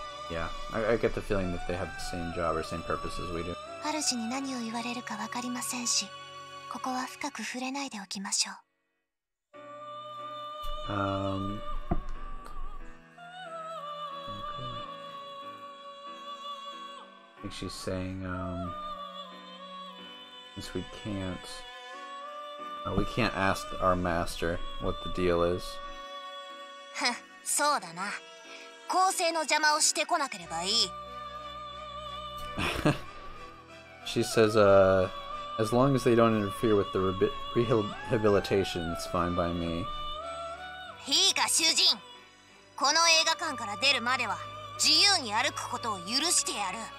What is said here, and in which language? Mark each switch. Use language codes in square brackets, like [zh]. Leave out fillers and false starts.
[en] Yeah, I get the feeling that they have the same job or same purpose as we do. [ja] 主に何を言われるか分かりませんし、ここは深く触れないでおきましょう。 [en] I think she's saying, since we can't ask our master what the deal is. [ja] そうだな。公正の邪魔をしてこなければいい。 [en] She says, as long as they don't interfere with the rehabilitation, it's fine by me. [ja] いいか、主人。この映画館から出るまでは自由に歩くことを許してやる。